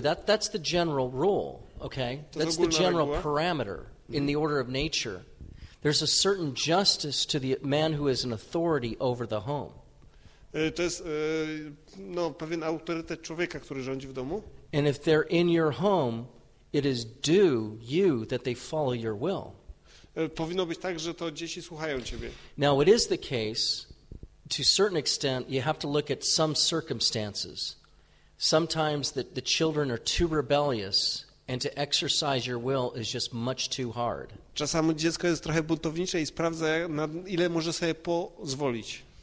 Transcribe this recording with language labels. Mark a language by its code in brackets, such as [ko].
[en] That's the general rule, okay? That's the general parameter in the order of nature. There's a certain justice to the man who is an authority over the home. [pl] To jest pewien autorytet człowieka, który rządzi w domu. [en] And if they're in your home, it is due you that they follow your will. [pl] Powinno być tak, że to dzieci słuchają ciebie. [en] Now it is the case, to certain extent, you have to look at some circumstances. Sometimes the children are too rebellious, and to exercise your will is just much too hard. [pl] Czasami dziecko jest trochę buntownicze i sprawdza, na ile może sobie pozwolić.